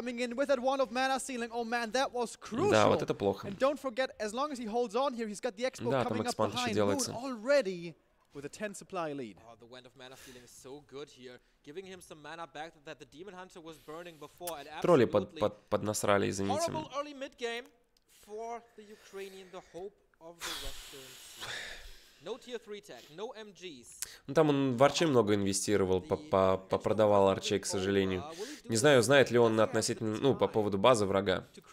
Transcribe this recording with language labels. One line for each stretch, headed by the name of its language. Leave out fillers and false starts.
Russian: Да, вот это плохо. Да, там экспанд еще делается.
English: With a 10 supply lead. Oh, the wind of mana feeling is so good here, giving him some mana back that the demon hunter was burning before.
Russian: Тролли поднасрали, извините.
English: Horrible early mid game for the Ukrainian, the hope of the Western. No tier 3 tech, no MGs.
Russian: Ну там он в арчи много инвестировал, попродавал арчей, к сожалению. Не знаю, знает ли он относительно, ну, по поводу базы врага.